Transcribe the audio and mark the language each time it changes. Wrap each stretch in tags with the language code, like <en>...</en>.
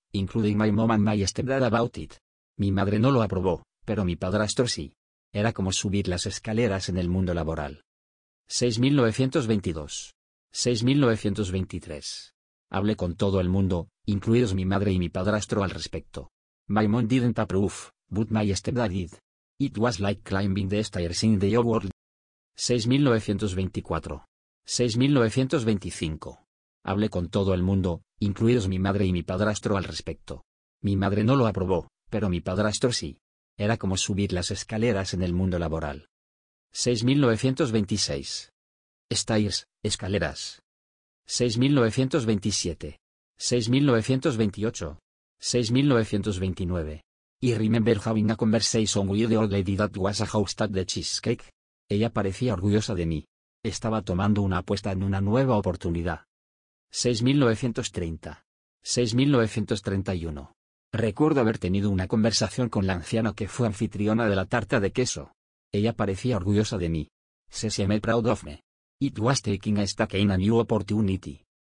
<en>including my mom and my stepdad about it.</en> <es>Mi madre no lo aprobó, pero mi padrastro sí. Era como subir las escaleras en el mundo laboral. 6.922. 6.923. Hablé con todo el mundo, incluidos mi madre y mi padrastro al respecto.</es> <en>My mom didn't approve, but my stepdad did. It was like climbing the stairs in the old world. 6.924. 6.925.</en> <es>Hablé con todo el mundo, incluidos mi madre y mi padrastro al respecto. Mi madre no lo aprobó, pero mi padrastro sí. Era como subir las escaleras en el mundo laboral.</es> <en>6.926. Stairs, escaleras. 6.927. 6.928. 6.929. I remember having a conversation with the old lady that was a host at the cheesecake.</en> <es>Ella parecía orgullosa de mí. Estaba tomando una apuesta en una nueva oportunidad. 6.930. 6.931. Recuerdo haber tenido una conversación con la anciana que fue anfitriona de la tarta de queso. Ella parecía orgullosa de mí.</es> <en>She seemed proud of me. It was taking a stack in a new opportunity.</en>